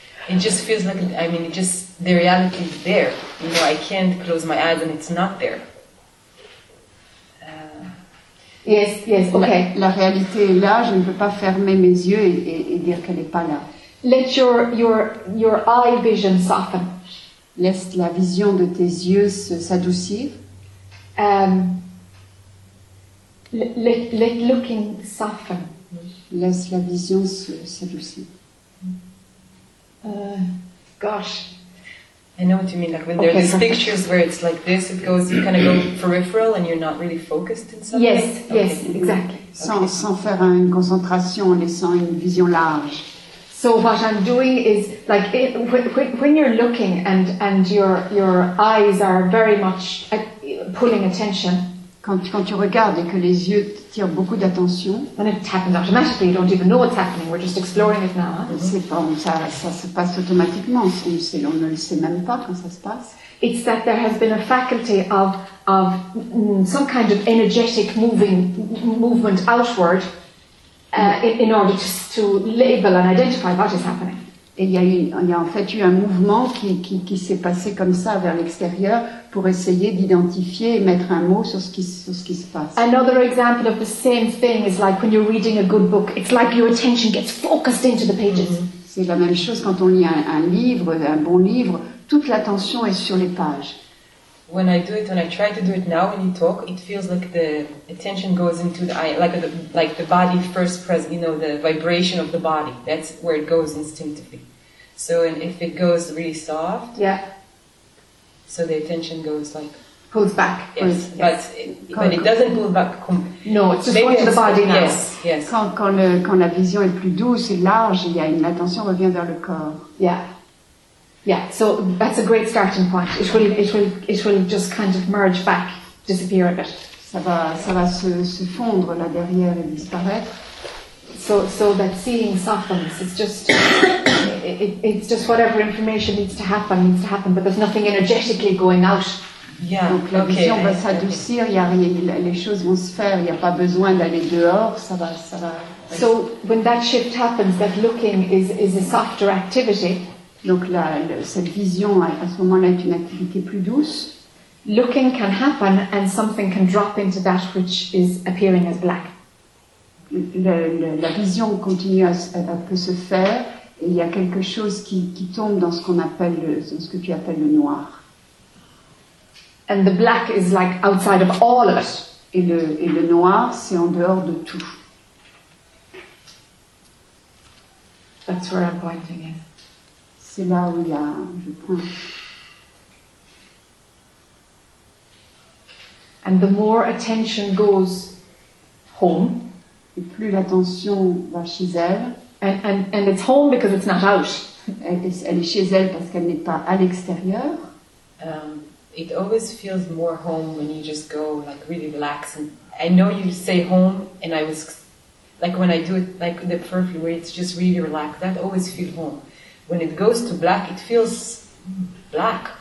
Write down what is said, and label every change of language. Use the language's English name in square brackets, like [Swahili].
[English] It just feels like, it just, the reality is there. You know, I can't close my eyes and it's not there. Yes, okay. [French] La réalité est là, je ne peux pas fermer mes yeux et dire qu'elle n'est pas là. [English] Let your eye vision soften. [French] Laisse la vision de tes yeux s'adoucir. [English] Let looking soften. [French] Laisse la vision s'adoucir. [English] Gosh. I know what you mean, like when there are these pictures where it's like this, it goes, you kind of go peripheral and you're not really focused in something. Yes, okay. Yes, exactly. Okay. [French] Sans faire une concentration, en laissant une vision large. [English] So what I'm doing is, like, when you're looking and your eyes are very much pulling attention. [French] Quand tu regardes et que les yeux tirent beaucoup d'attention, [English] then it happens automatically. You don't even know what's happening. We're just exploring it now. Hein? [French] C'est pas, ça se passe automatiquement. On ne le sait même pas quand ça se passe. [English] It's that there has been a faculty of some kind of energetic movement outward in order to label and identify what is happening. [French] Et il y a en fait eu un mouvement qui s'est passé comme ça vers l'extérieur pour essayer d'identifier et mettre un mot sur ce qui se passe. [English] Another example of the same thing is like when you're reading a good book. It's like your attention gets focused into the pages. Mm-hmm. [French] C'est la même chose quand on lit un bon livre, toute l'attention est sur les pages. [English] When I do it and I try to do it now when you talk, it feels like the attention goes into the eye, like the body first present, you know, the vibration of the body. That's where it goes instinctively. So, and if it goes really soft, yeah. So the attention goes like pulls back. Yes, but it doesn't pull back. No, it's just going to the body now. Yes, yes. [French] Quand la vision est plus douce et large, l'attention revient vers le corps. [English] Yeah. Yeah, so that's a great starting point. It will just kind of merge back, disappear a bit. [French] Ça va se fondre là derrière et disparaître. [English] So that seeing softens. It's just it's just whatever information needs to happen, but there's nothing energetically going out. Yeah. [French] Donc la [English] okay. [French] vision va s'adoucir. Okay. Les choses vont se faire. Il n'y a pas besoin d'aller dehors. Ça va. [English] So when that shift happens, that looking is a softer activity. [French] Donc cette vision à ce moment-là est une activité plus douce. [English] Looking can happen, and something can drop into that which is appearing as black. [French] La vision continue à peut se faire, et il y a quelque chose qui tombe dans ce qu'on appelle ce que tu appelles le noir. [English] And the black is like outside of all of it. [French] Et le noir, c'est en dehors de tout. [English] That's where I'm pointing in. [French] C'est là où il y a, je pointe. [English] And the more attention goes home, [French] et plus l'attention va chez elle, [English] and it's home because it's not out. [French] Elle est chez elle parce qu'elle n'est pas à l'extérieur. [English] It always feels more home when you just go like really relax. And I know you say home, and I was like when I do it like the perfect way, it's just really relaxed. That always feels home. When it goes to black, it feels black.